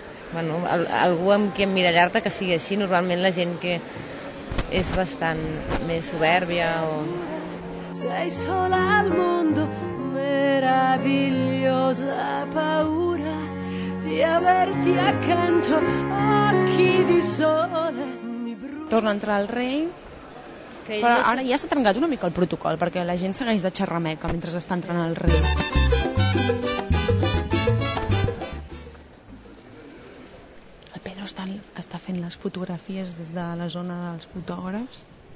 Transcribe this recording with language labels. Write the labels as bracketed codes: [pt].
[ca] Bueno, algú amb qui emmirallar-te que sigui així, normalment la gent que és bastant més soberbia o... [it] Sei sola al mondo, meravigliosa paura di averti accanto, occhi di sole. [ca] Torna a entrar el rei. Però ara ja s'ha trencat una mica el protocol, perquè la gent segueix de xerrameca mentre està entrant el rei. El Pedro està fent les fotografies des de la zona dels fotògrafs.